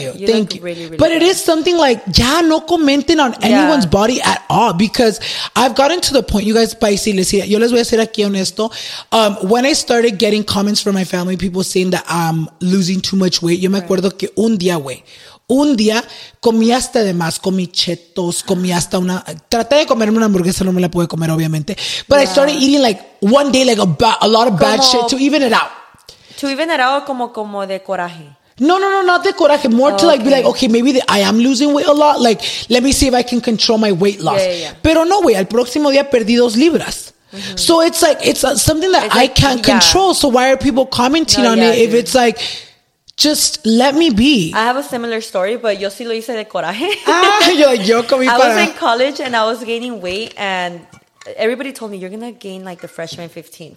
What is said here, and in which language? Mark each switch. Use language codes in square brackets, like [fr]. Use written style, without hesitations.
[en] You, you thank you. Really, really but good. It is something like, yeah, no commenting on anyone's body at all because I've gotten to the point, you guys, [es] para decirles, yo les voy a ser aquí honesto, [en] when I started getting comments from my family, people saying that I'm losing too much weight, [es] yo me acuerdo que un día comí hasta de más, comí chetos, comí hasta una, traté de comerme una hamburguesa, no me la pude comer, obviamente. [en] But I started eating like one day, like a lot of bad shit to even it out. To even it out, [es] como de coraje. [en] No, not the coraje. More to like be like, okay, maybe I am losing weight a lot. Like, let me see if I can control my weight loss. Yeah, yeah, yeah. [es] Pero no, güey, al próximo día perdí 2 libras. Mm-hmm. [en] So it's like, it's something that it's I like, can't control. So why are people commenting on it if it's like, just let me be. I have a similar story, but [es] yo sí lo hice de coraje. [en] I was in college and I was gaining weight and everybody told me you're going to gain like the freshman 15.